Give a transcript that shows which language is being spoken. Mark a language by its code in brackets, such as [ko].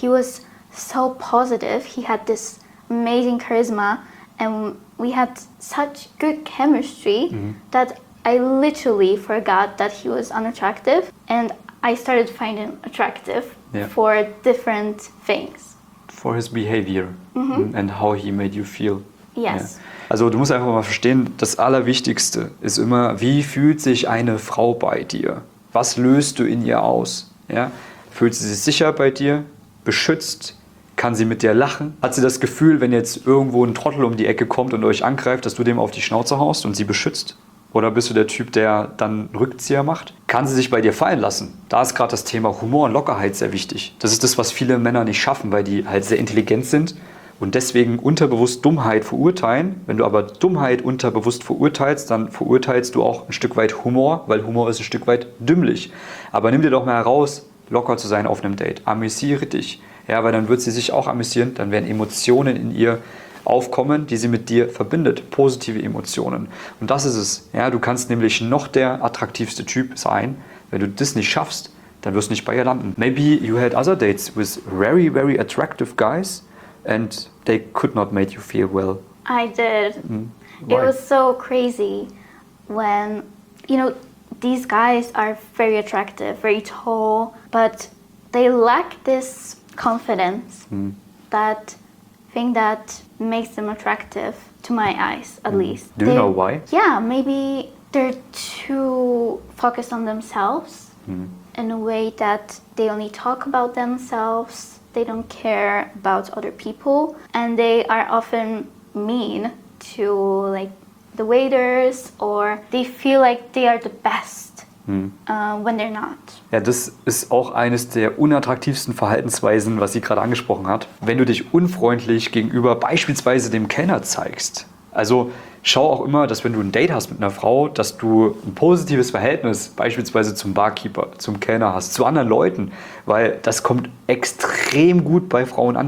[en] He was so positive. He had this amazing charisma and we had such good chemistry, mm-hmm. that I literally forgot that he was unattractive. And I started finding him attractive for different things. For his behavior, mm-hmm. and how he made you feel. Yes. Ja. [de] Also du musst einfach mal verstehen, das Allerwichtigste ist immer, wie fühlt sich eine Frau bei dir? Was löst du in ihr aus? Ja? Fühlt sie sich sicher bei dir? Beschützt? Kann sie mit dir lachen? Hat sie das Gefühl, wenn jetzt irgendwo ein Trottel um die Ecke kommt und euch angreift, dass du dem auf die Schnauze haust und sie beschützt? Oder bist du der Typ, der dann einen Rückzieher macht? Kann sie sich bei dir fallen lassen? Da ist gerade das Thema Humor und Lockerheit sehr wichtig. Das ist das, was viele Männer nicht schaffen, weil die halt sehr intelligent sind. Und deswegen unterbewusst Dummheit verurteilen. Wenn du aber Dummheit unterbewusst verurteilst, dann verurteilst du auch ein Stück weit Humor, weil Humor ist ein Stück weit dümmlich. Aber nimm dir doch mal heraus, locker zu sein auf einem Date. Amüsiere dich. Ja, weil dann wird sie sich auch amüsieren. Dann werden Emotionen in ihr aufkommen, die sie mit dir verbindet. Positive Emotionen. Und das ist es. Ja, du kannst nämlich noch der attraktivste Typ sein. Wenn du das nicht schaffst, dann wirst du nicht bei ihr landen. [en] Maybe you had other dates with very, very attractive guys. And they could not make you feel well. I did. Mm. It was so crazy when, you know, these guys are very attractive, very tall, but they lack this confidence, that thing that makes them attractive to my eyes, at least. Do you know why? Yeah, maybe they're too focused on themselves in a way that they only talk about themselves. They don't care about other people, and they are often mean to like the waiters, or they feel like they are the best when they're not. [de] Ja, das ist auch eines der unattraktivsten Verhaltensweisen, was sie gerade angesprochen hat. Wenn du dich unfreundlich gegenüber beispielsweise dem Kellner zeigst, also schau auch immer, dass wenn du ein Date hast mit einer Frau, dass du ein positives Verhältnis beispielsweise zum Barkeeper, zum Kellner hast, zu anderen Leuten, weil das kommt extrem gut bei Frauen an.